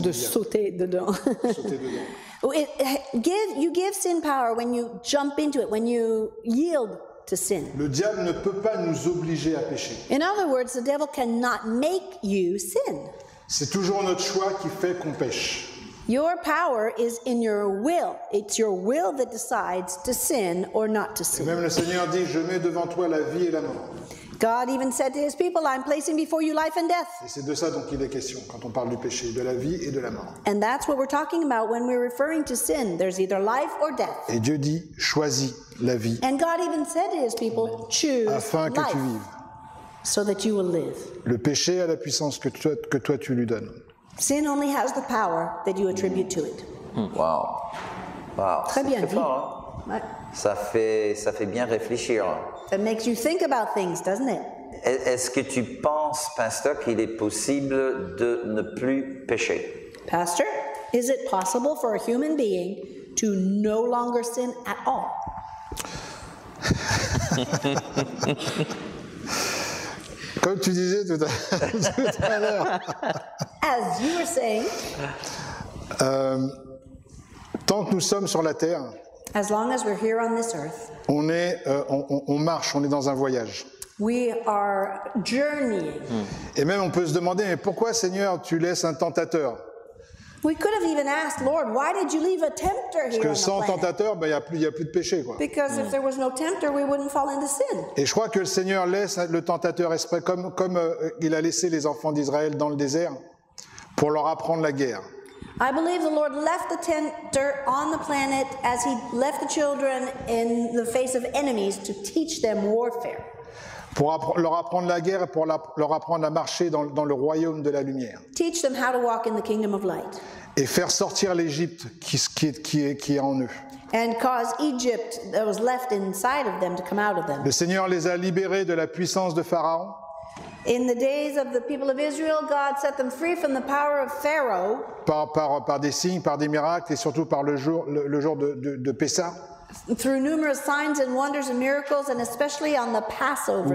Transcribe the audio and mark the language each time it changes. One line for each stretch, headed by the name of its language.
French: de sauter dedans.
English: You give sin power when you jump into it, when you yield to sin.
French: Le diable ne peut pas nous obliger à pécher.
English: In other words, the devil cannot make you sin.
French: C'est toujours notre choix qui fait qu'on pêche.
English: Your power is in your will. It's your will that decides to sin or not to sin.
French: Et même le Seigneur dit, je mets devant toi la vie et la mort.
English: God even said to his people, I'm placing before you life and death.
French: Et c'est de ça dont il est question quand on parle du péché, de la vie et de la mort.
English: And that's what we're talking about when we're referring to sin. There's either life or death.
French: Et Dieu dit, choisis la vie.
English: And God even said to his people, choose life.
French: Afin que tu vives.
English: So that you will live.
French: Le péché a la puissance que toi tu lui donnes.
English: Sin only has the power that you attribute to it. Wow.
French: Très c'est bien dit. Fort, hein? Ouais. Ça fait bien réfléchir.
English: It makes you think about things, doesn't it?
French: Est-ce que tu penses, pasteur, qu'il est possible de ne plus pécher?
English: Pastor, is it possible for a human being to no longer sin at all?
French: Comme tu disais tout à l'heure.
English: As you were saying.
French: Tant que nous sommes sur la terre.
English: As long as we're here on this earth.
French: On marche, on est dans un voyage.
English: We are journeying.
French: Et même on peut se demander, mais pourquoi Seigneur tu laisses un tentateur?
English: We could have even asked, Lord, why did you leave a tempter here?
French: Parce que sans tentateur, ben il y a plus de péché, quoi.
English: Because if there was no tempter, we wouldn't fall into sin.
French: Et je crois que le Seigneur laisse le tentateur esprit comme il a laissé les enfants d'Israël dans le désert pour leur apprendre la guerre.
English: I believe the Lord left the tempter on the planet as he left the children in the face of enemies to teach them warfare.
French: Pour leur apprendre la guerre et pour leur apprendre à marcher dans le royaume de la lumière.
English: Teach them how to walk in the kingdom of light.
French: Et faire sortir l'Égypte qui est en eux.
English: And cause Egypt that was left inside of them to come out of them.
French: Le Seigneur les a libérés de la puissance de Pharaon.
English: In the days of the people of Israel, God set them free from the power of Pharaoh.
French: Par des signes, par des miracles, et surtout par le jour de Pessah.
English: Through numerous signs and wonders and miracles, and especially on the Passover.